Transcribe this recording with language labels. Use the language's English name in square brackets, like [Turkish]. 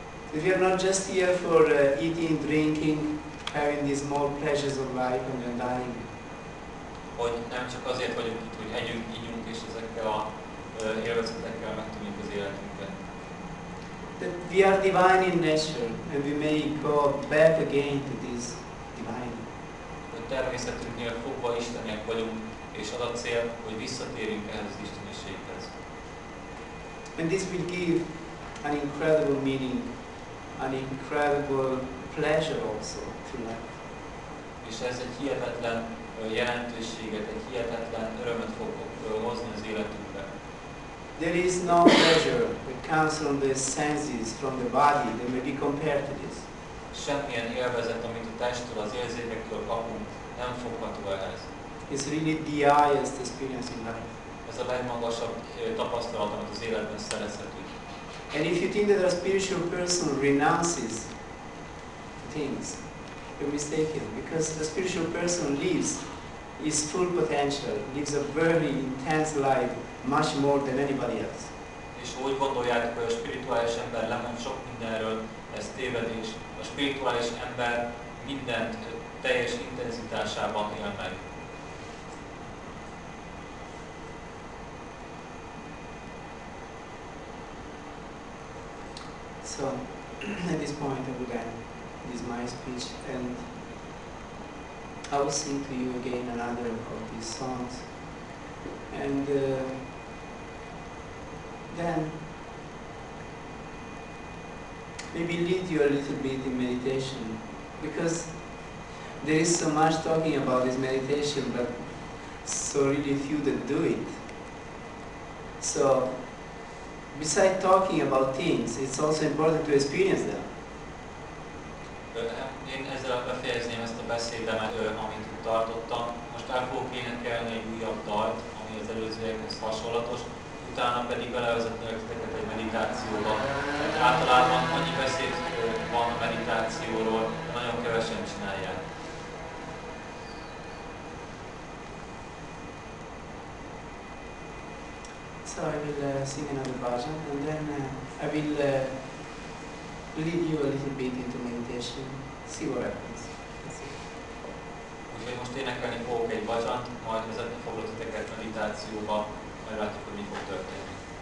[English] If you are not just here for eating, drinking, having these small pleasures of life and then dying. [Hungarian] Hogy nem csak azért vagyunk itt, hogy együnk, ígyunk és ezekkel a élvezetekkel megtudjuk az életünket. [English] That we are divine in nature and we may go back again to this divine. [Hungarian] A természetünknél fogva Istenek vagyunk, és az a cél, hogy visszatérjünk ehhez az Isteniséghez. [English] And this will give an incredible meaning, an incredible pleasure also to life. [Hungarian] És ez egy hihetetlen jelentőséget, egy hihetetlen örömet fog hozni az életünkbe. [English] There is no pleasure that comes from the senses, from the body, that may be compared to this. [Hungarian] semmilyen élvezet, amit a testtől, az érzékektől kapunk, nem fogható ehhez. [English] It's really the highest experience in life. [Hungarian] Ez a legmagasabb tapasztalat, amit az életben szerezhetünk. [English] And if you think that a spiritual person renounces things, you're mistaken, because the spiritual person lives his full potential, lives a very intense life, much more than anybody else. [Hungarian] És úgy gondoljátok, hogy a spirituális ember lemond sok mindenről, ez tévedés. A spirituális ember mindent teljes intenzitásában él meg. [English] So, at this point I would end this my speech and I will sing to you again another of these songs. And then maybe lead you a little bit in meditation, because there is so much talking about this meditation, but so really few that do it. So besides talking about things, it's also important to experience them. [Hungarian] Én ezzel befejezném ezt a beszédemet, amit tartottam. Most el fogok énekelni egy újabb dalt, ami az előzőekhez hasonlatos. Utána pedig belevezetnék titeket egy meditációba. Hát általában annyi beszéd van a meditációról, nagyon kevesen csinálják. [English] So I will sing another bhajan and then I will lead you a little bit into meditation. See what happens. [Hungarian] Úgyhogy most énekelni fogok egy bhajant, majd vezetni foglak titeket meditációba, majd látjuk, hogy mi fog történni.